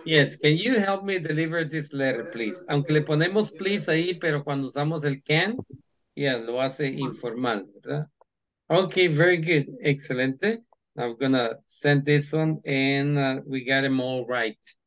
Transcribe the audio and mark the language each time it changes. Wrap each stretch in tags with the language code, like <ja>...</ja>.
<en>Yes, can you help me deliver this letter, please?</en> <es>Aunque le ponemos please ahí, pero cuando usamos el can, yeah, lo hace informal, ¿verdad?</es> <en>Okay, very good.</en> <es>Excelente.</es> <en>I'm gonna send this one and we got them all right.</en>